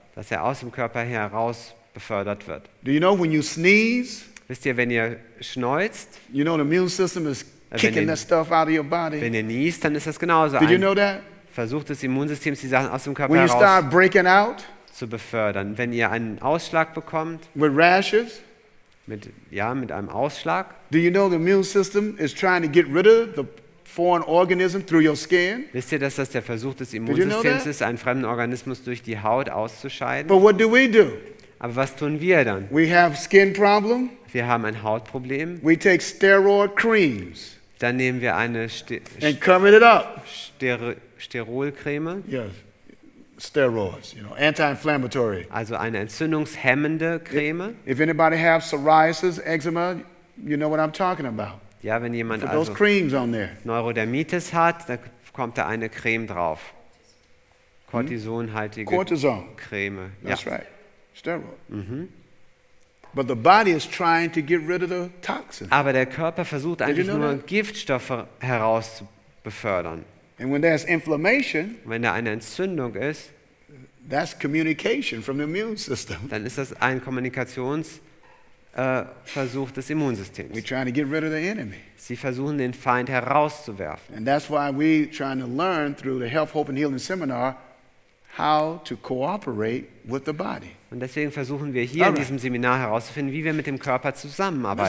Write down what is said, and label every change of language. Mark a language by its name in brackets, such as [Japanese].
[German] Dass er aus dem Körper heraus befördert wird. [English] Do you know when you sneeze? [German] Wisst ihr, wenn ihr schneuzt? [English] You know the immune system is kicking that stuff out of your body. [German] Wenn ihr niest, dann ist das genauso. [English] Did you know that? [German] Versucht das Immunsystem die Sachen aus dem Körper [English] when [German] heraus [English] you start breaking out, [German] zu befördern. Wenn ihr einen Ausschlag bekommt? [English] With rashes? [German] Mit einem Ausschlag. [English] Do you know the immune system is trying to get rid of the foreign organism through your skin? [German] Wisst ihr, dass das der Versuch des Immunsystems ist, einen fremden Organismus durch die Haut auszuscheiden? [English] But what do we do? [German] Aber was tun wir dann? [English] We have skin problem. [German] Wir haben ein Hautproblem. [English] We take steroid creams. [German] Dann nehmen wir eine [English] and covering it up. [German] Sterolcreme. [English] Yes. Steroids, you know, anti-inflammatory. [German] Also eine entzündungshemmende Creme. [English] If anybody has psoriasis, eczema, you know what I'm talking about. [German] Ja, wenn jemand [English] put those creams on there. [German] Neurodermitis hat, da kommt da eine Creme drauf. Cortisonhaltige Cortison. Creme. [English] That's right. Steroid. Mm-hmm. But the body is trying to get rid of the toxins. [German] Aber der Körper versucht eigentlich nur Giftstoffe herauszubefördern. [English] And when there's inflammation, [German] wenn da eine Entzündung ist, [English] That's communication from the immune system. [German] Dann ist das ein Kommunikationsversuch des Immunsystems. [English] We're trying to get rid of the enemy. [German] Sie versuchen den Feind herauszuwerfen. [English] And that's why we're trying to learn through the Health, Hope and Healing Seminar how to cooperate with the body. [German] Und deswegen versuchen wir hier in diesem Seminar herauszufinden, wie wir mit dem Körper zusammenarbeiten.